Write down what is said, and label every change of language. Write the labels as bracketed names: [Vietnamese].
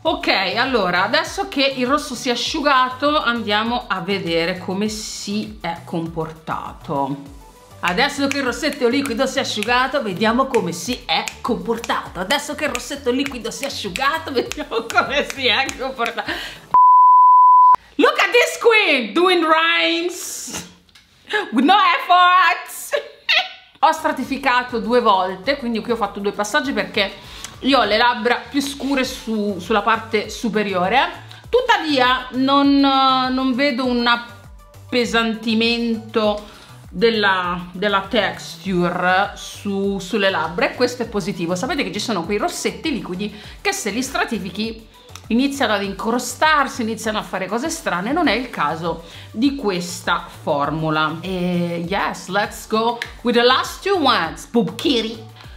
[Italian] Ok, allora adesso che il rosso si è asciugato andiamo a vedere come si è comportato. Adesso che il rossetto liquido si è asciugato, vediamo come si è comportato. Adesso che il rossetto liquido si è asciugato, vediamo come si è comportato. [English] Look at this queen doing rhymes with no effort. [Italian] Ho stratificato due volte, quindi qui ho fatto due passaggi perché io ho le labbra più scure sulla parte superiore. Tuttavia non vedo un appesantimento della texture sulle labbra, e questo è positivo. Sapete che ci sono quei rossetti liquidi che se li stratifichi iniziano ad incrostarsi, iniziano a fare cose strane. Non è il caso di questa formula. E [English] yes, let's go with the last two ones, Pupkiri.